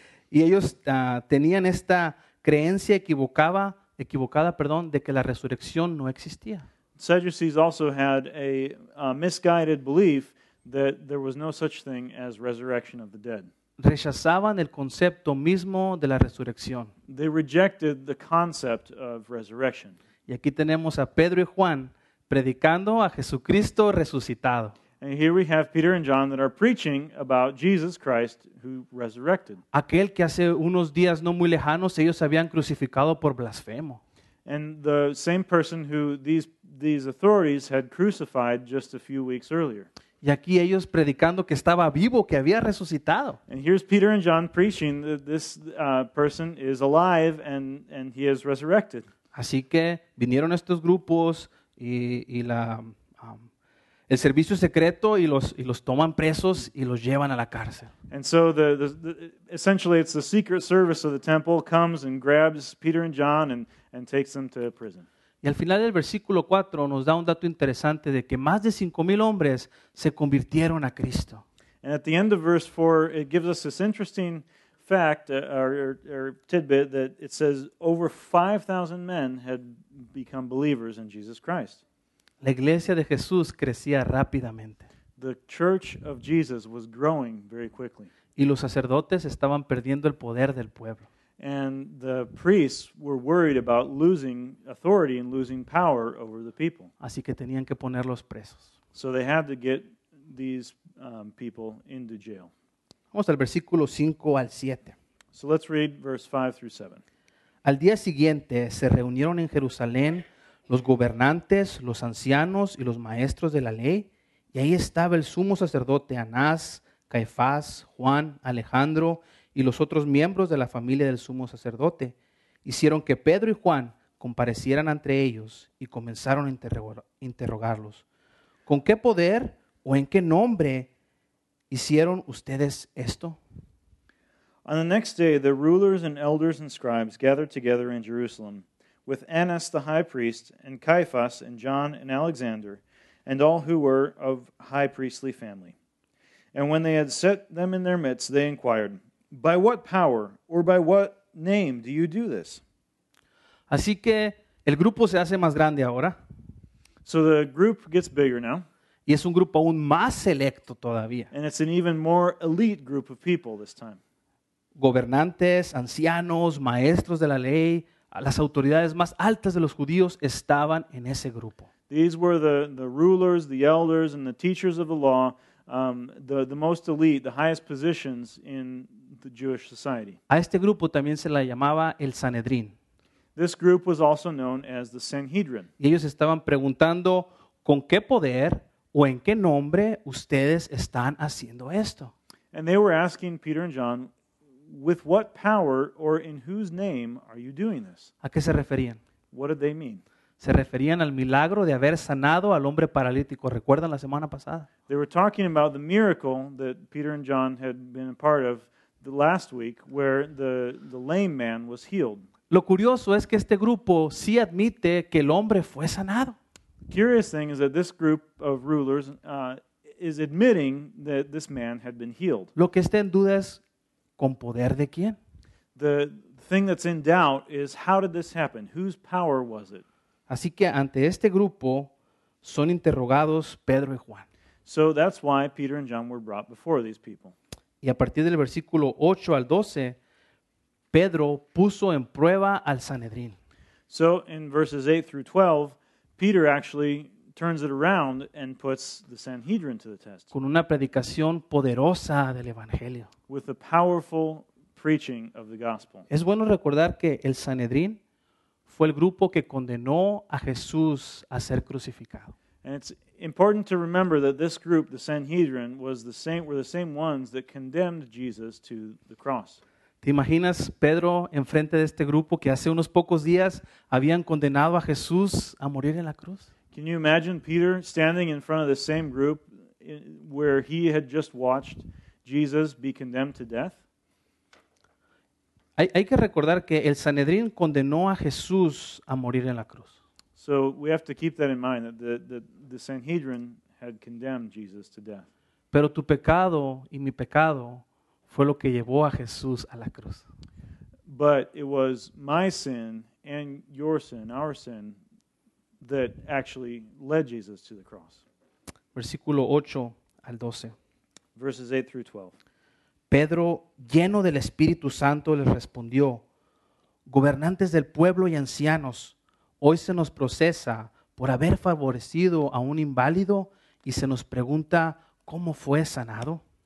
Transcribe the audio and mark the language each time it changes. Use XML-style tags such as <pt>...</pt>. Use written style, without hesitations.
<es>Y ellos tenían esta creencia equivocada, de que la resurrección no existía.</es> <en>Sadducees also had a misguided belief that there was no such thing as resurrection of the dead.</en> <es>Rechazaban el concepto mismo de la resurrección.</es> <en>They rejected the concept of resurrection.</en> <es>Y aquí tenemos a Pedro y Juan predicando a Jesucristo resucitado.</es> <en>And here we have Peter and John that are preaching about Jesus Christ who resurrected.</en> <es>Aquel que hace unos días no muy lejanos ellos habían crucificado por blasfemo.</es> <en>And the same person who these authorities had crucified just a few weeks earlier.</en> <es>Y aquí ellos predicando que estaba vivo, que había resucitado.</es> <en>And here's Peter and John preaching that this person is alive and he is resurrected.</en> <es>Así que vinieron estos grupos y la el servicio secreto y los toman presos y los llevan a la cárcel.</es> <en>And so the essentially it's the secret service of the temple comes and grabs Peter and John and takes them to prison.</en> <es>Y al final del versículo 4 nos da un dato interesante de que más de 5,000 hombres se convirtieron a Cristo.</es> <en>And at the end of verse 4 it gives us this interesting fact or tidbit that it says over 5,000 men had become believers in Jesus Christ.</en> <es>La iglesia de Jesús crecía rápidamente.</es> <en>The church of Jesus was growing very quickly.</en> <es>Y los sacerdotes estaban perdiendo el poder del pueblo.</es> <en>And the priests were worried about losing authority and losing power over the people.</en> <es>Así que tenían que ponerlos presos.</es> <en>So they had to get these people into jail.</en> <es>Vamos al versículo 5 al 7.</es> <en>So let's read verse 5 through 7.</en> <es>Al día siguiente se reunieron en Jerusalén los gobernantes, los ancianos y los maestros de la ley, y ahí estaba el sumo sacerdote Anás, Caifás, Juan, Alejandro y los otros miembros de la familia del sumo sacerdote. Hicieron que Pedro y Juan comparecieran ante ellos y comenzaron a interrogarlos. ¿Con qué poder o en qué nombre hicieron ustedes esto?</es> <en>On the next day, the rulers and elders and scribes gathered together in Jerusalem with Annas the high priest and Caiaphas and John and Alexander and all who were of high priestly family. And when they had set them in their midst, they inquired, "By what power or by what name do you do this?"</en> <es>Así que el grupo se hace más grande ahora.</es> <en>So the group gets bigger now.</en> <es>Y es un grupo aún más selecto todavía.</es> <en>And it's an even more elite group of people this time.</en> <es>Gobernantes, ancianos, maestros de la ley, las autoridades más altas de los judíos estaban en ese grupo.</es> <en>These were the rulers, the elders, and the teachers of the law, the most elite, the highest positions in the Jewish society.</en> <es>A este grupo también se la llamaba el Sanedrín.</es> <en>This group was also known as the Sanhedrin.</en> <es>Y ellos estaban preguntando, ¿con qué poder o en qué nombre ustedes están haciendo esto?</es> <en>And they were asking Peter and John, with what power or in whose name are you doing this?</en> <es>¿A qué se referían?</es> <en>What did they mean?</en> <es>Se referían al milagro de haber sanado al hombre paralítico. ¿Recuerdan la semana pasada?</es> <en>They were talking about the miracle that Peter and John had been a part of the last week, where the lame man was healed.</en> <es>Lo curioso es que este grupo sí admite que el hombre fue sanado.</es> <en>The curious thing is that this group of rulers is admitting that this man had been healed.</en> <es>Lo que está en duda es, ¿con poder de quién?</es> <en>The thing that's in doubt is, how did this happen? Whose power was it?</en> <es>Así que ante este grupo son interrogados Pedro y Juan.</es> <en>So that's why Peter and John were brought before these people.</en> <es>Y a partir del versículo 8 al 12, Pedro puso en prueba al Sanedrín.</es> <en>So in verses 8 through 12, Peter actually turns it around and puts the Sanhedrin to the test.</en> <es>Con una predicación poderosa del Evangelio.</es> <en>With a powerful preaching of the gospel.</en> <es>Es bueno recordar que el Sanedrín fue el grupo que condenó a Jesús a ser crucificado.</es> <en>And it's important to remember that this group, the Sanhedrin, were the same ones that condemned Jesus to the cross.</en> <es>¿Te imaginas Pedro enfrente de este grupo que hace unos pocos días habían condenado a Jesús a morir en la cruz?</es> <en>Can you imagine Peter standing in front of the same group where he had just watched Jesus be condemned to death?</en> <es>Hay que recordar que el Sanedrín condenó a Jesús a morir en la cruz.</es> <en>So we have to keep that in mind, that the Sanhedrin had condemned Jesus to death.</en> <es>Pero tu pecado y mi pecado fue lo que llevó a Jesús a la cruz.</es> <en>But it was my sin and your sin, our sin, that actually led Jesus to the cross.</en> <es>Versículo 8 al 12.</es> <en>Verses 8 through 12.</en> <es>Pedro, lleno del Espíritu Santo, les respondió, gobernantes del pueblo y ancianos, hoy se nos procesa por haber favorecido a un inválido y se nos pregunta cómo fue sanado.</es>